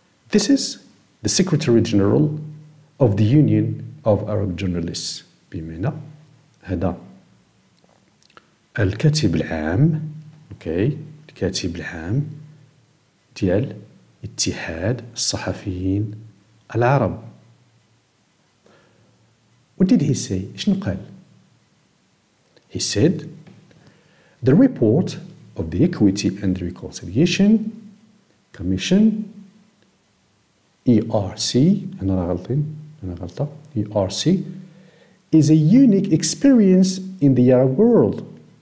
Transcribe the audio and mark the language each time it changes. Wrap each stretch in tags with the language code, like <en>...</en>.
<en>This is the Secretary General of the Union of Arab Journalists.</en> <ar>بمعنى هذا الكاتب العام, اوكي, الكاتب العام ديال اتحاد الصحفيين العرب.</ar> <en>What did he say?</en> <ar>شنو قال؟</ar> <en>He said the report of the Equity and Reconciliation Commission ERC, ERC, is a unique experience in the Arab world.</en>